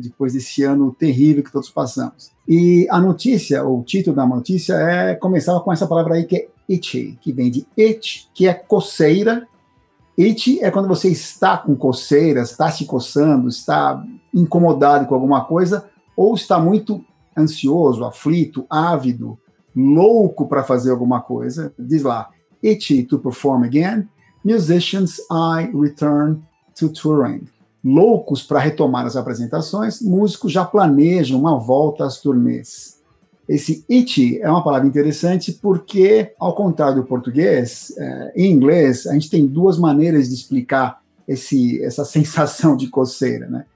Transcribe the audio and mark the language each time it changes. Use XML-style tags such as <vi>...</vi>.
<pt>Depois desse ano terrível que todos passamos. E a notícia, ou o título da notícia, começava com essa palavra aí que é itchy, que vem de itch, que é coceira. Itch é quando você está com coceira, está se coçando, está incomodado com alguma coisa, ou está muito ansioso, aflito, ávido, louco para fazer alguma coisa. Diz lá,</pt> <en>itchy to perform again, musicians' eye return to touring.</en> <pt>Loucos para retomar as apresentações, músicos já planejam uma volta às turnês. Esse it é uma palavra interessante porque, ao contrário do português, em inglês, a gente tem duas maneiras de explicar essa sensação de coceira, né?</pt>